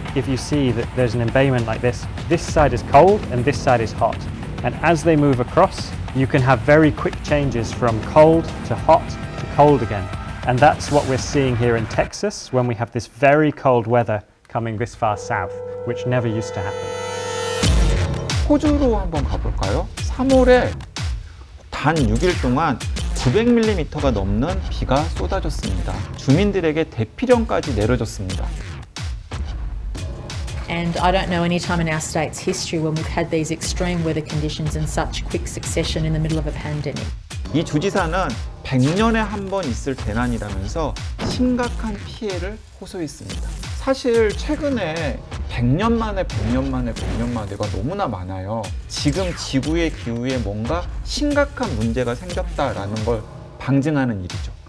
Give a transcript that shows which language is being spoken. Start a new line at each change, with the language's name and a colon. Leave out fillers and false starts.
English: If you see that there's an embayment like this, this side is cold and this side is hot. And as they move across, you can have very quick changes from cold to hot to cold again. And that's what we're seeing here in Texas when we have this very cold weather coming this far south, which never used to happen.
Korean: 호주로 한번 가볼까요? 3월에 단 6일 동안 900mm가 넘는 비가 쏟아졌습니다. 주민들에게 대피령까지 내려졌습니다.
English: And I don't know any time in our state's history when we've had these extreme weather conditions in such quick succession in the middle of a pandemic.
Korean: 이 주지사는 100년에 한 번 있을 재난이라면서 심각한 피해를 호소했습니다. 사실 최근에 100년 만에가 너무나 많아요. 지금 지구의 기후에 뭔가 심각한 문제가 생겼다라는 걸 방증하는 일이죠.